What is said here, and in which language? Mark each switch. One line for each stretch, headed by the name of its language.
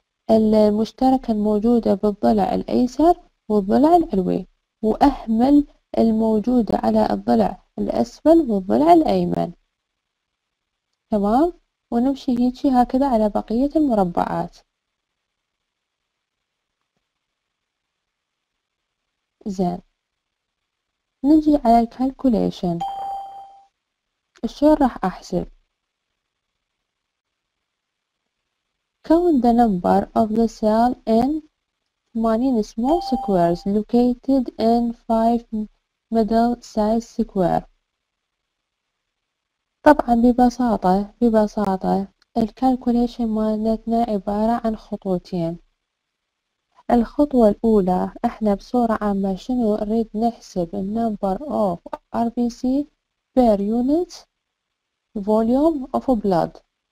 Arabic: المشتركة الموجودة بالضلع الايسر والضلع العلوي، واهمل الموجودة على الضلع الاسفل والضلع الايمن، تمام؟ ونمشي هيجي هكذا على بقية المربعات. زين، نجي على الكالكوليشن. شلون راح احسب؟
English: Count the number of the cell in 80 small squares located in 5 middle size square.
Arabic: طبعا ببساطة الكالكوليشن مالتنا عبارة عن خطوتين. الخطوة الأولى احنا بصورة عامة شنو نريد نحسب؟ الـ
English: number of RBC per unit volume of blood.